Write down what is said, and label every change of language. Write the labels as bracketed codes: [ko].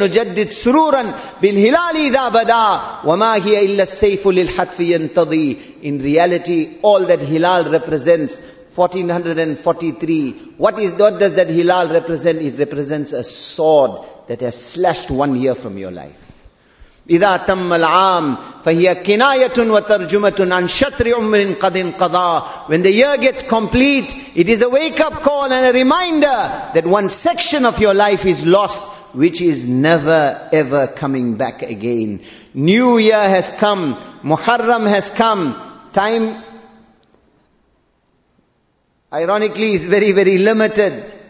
[ar] نُجَدِّدْ سُرُورًا بِالْهِلَالِ إِذَا بَدَى وَمَا هِيَ إِلَّا السَّيْفُ لِلْحَتْفِ يَنْتَضِي. [en] In reality, all that hilal represents, 1443, what does that hilal represent? It represents a sword that has slashed one year from your life. [ar] إذا تم العام فهي كناية وترجمة عن شطر عمر قد انقضى. [en] When the year gets complete, it is a wake-up call and a reminder that one section of your life is lost, which is never ever coming back again. New year has come, Muharram has come. Time, ironically, is very, very limited.